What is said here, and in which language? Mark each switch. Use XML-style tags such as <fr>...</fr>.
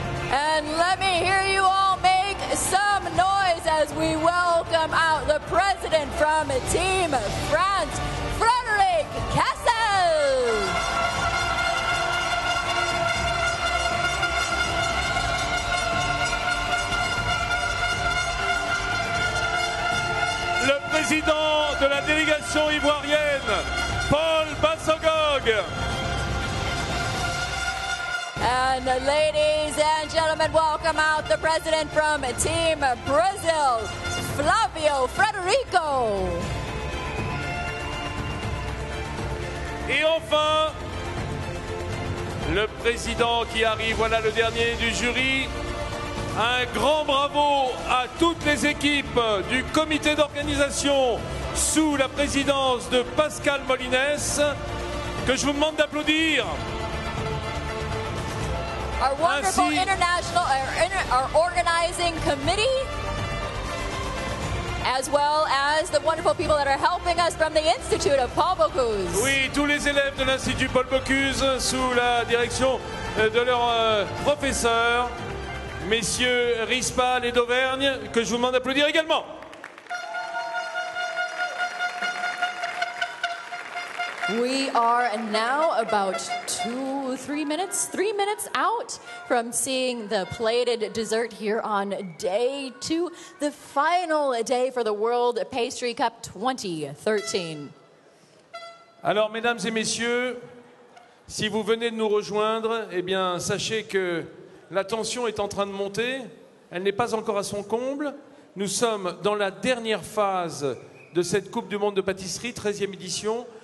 <en>And let me hear you all make some noise as we welcome out the president from Team France, Frederic Cassel.</en> <fr>Le président de la délégation ivoirienne, Paul Bassogog.</fr> <en>And ladies and gentlemen, welcome out the president from Team Brazil, Flavio Frederico.</en> <fr>Et enfin, le président qui arrive, voilà le dernier du jury. Un grand bravo à toutes les équipes du comité d'organisation sous la présidence de Pascal Molines, que je vous demande d'applaudir.</fr> <en>Our wonderful international, our organizing committee, as well as the wonderful people that are helping us from the Institute of Paul Bocuse.</en> <fr>Oui, tous les élèves de l'Institut Paul Bocuse sous la direction de leur professeur, messieurs Rispal et d'Auvergne, que je vous demande d'applaudir également.</fr> <en>We are now about three minutes out from seeing the plated dessert here on day two, the final day for the World Pastry Cup 2013.</en> <fr>Alors, mesdames et messieurs, si vous venez de nous rejoindre, eh bien, sachez que la tension est en train de monter. Elle n'est pas encore à son comble. Nous sommes dans la dernière phase de cette Coupe du Monde de pâtisserie, 13e édition.</fr>